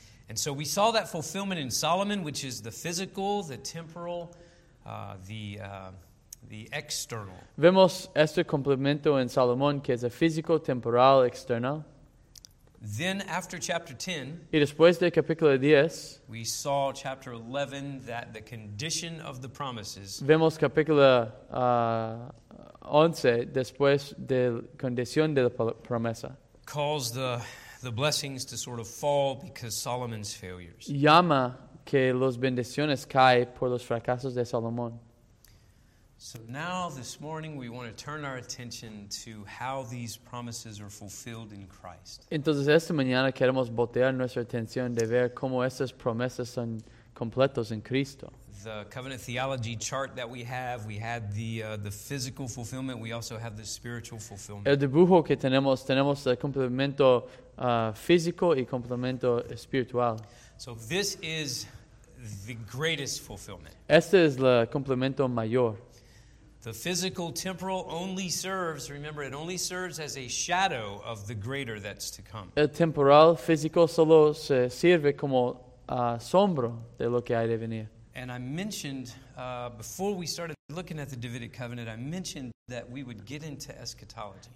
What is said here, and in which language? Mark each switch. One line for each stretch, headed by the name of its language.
English: And so we saw that fulfillment in Solomon, which is the physical, the temporal, the external.
Spanish: Vemos este complemento en Salomón que es el físico, temporal, external.
English: Then after chapter 10,
Spanish: y después de capítulo 10,
English: we saw chapter 11 that the condition of the promises.
Spanish: Vemos capítulo 11 después de condición de la promesa.
English: Calls the blessings to sort of fall because Solomon's failures.
Spanish: Llama que los bendiciones caen por los fracasos de Salomón.
English: So now, this morning, we want to turn our attention to how these promises are fulfilled in Christ.
Spanish: Entonces, esta mañana queremos voltear nuestra atención de ver cómo estas promesas son completas en Cristo.
English: The covenant theology chart that we have, we had the physical fulfillment, we also have the spiritual fulfillment.
Spanish: El dibujo que tenemos, tenemos el complemento físico y complemento espiritual.
English: So this is the greatest fulfillment.
Spanish: Este es el complemento mayor.
English: The physical temporal only serves, remember, it only serves as a shadow of the greater that's to come.
Spanish: El temporal físico solo se sirve como asombro de lo que hay de venir.
English: And I mentioned, before we started looking at the Davidic covenant, I mentioned that we would get into eschatology.